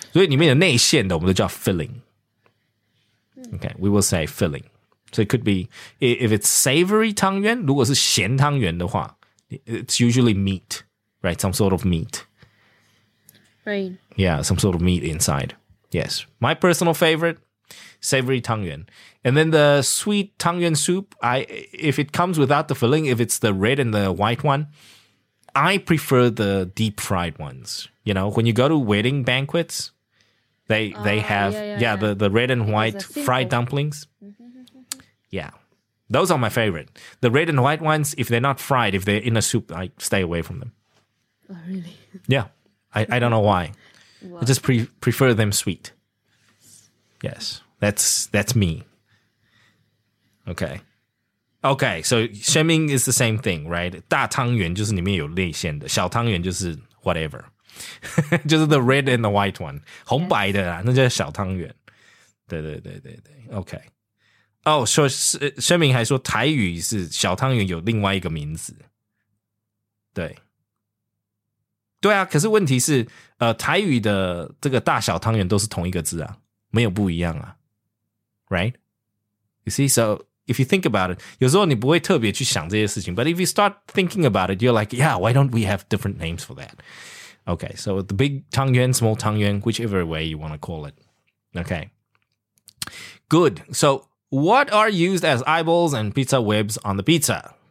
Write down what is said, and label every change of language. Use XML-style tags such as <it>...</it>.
<zh>所以里面有内馅的, 我们都叫 filling.</zh> <en>Okay, we will say filling. So it could be, if it's savory 汤圆,</en> <zh>如果是咸汤圆的话,</zh> <en>it's usually meat, right? Some sort of meat. Right. Yeah, some sort of meat inside. Yes. My personal favorite, savory 汤圆. And then the sweet 汤圆 soup, if it comes without the filling, if it's the red and the white one, I prefer the deep fried ones. You know, when you go to wedding banquets, they have the red and white fried dumplings. Yeah. Those are my favorite. The red and white ones, if they're not fried, if they're in a soup, I stay away from them. Oh, really? Yeah. I don't know why. What? I just prefer them sweet. Yes. That's me. Okay. Okay, so 鲜明 is the same thing, right?</en> <zh>大汤圆就是里面有内馅的，小汤圆就是 whatever, 就是</zh> <en>the red and the white one,</en> <zh>红白的啦，那叫小汤圆。对对对对对。Okay. Oh, so 鲜明还说台语是小汤圆有另外一个名字。对。对啊，可是问题是，台语的这个大小汤圆都是同一个字啊，没有不一样啊。</zh> <en>Right? You see, so. If you think about it,</en> <zh>有时候你不会特别去想这些事情,</zh> <en>but if you start thinking about it, you're like, yeah, why don't we have different names for that? Okay, so the big 汤圆, small 汤圆, whichever way you want to call it. Okay, good. So what are used as eyeballs and pizza webs on the pizza?</en>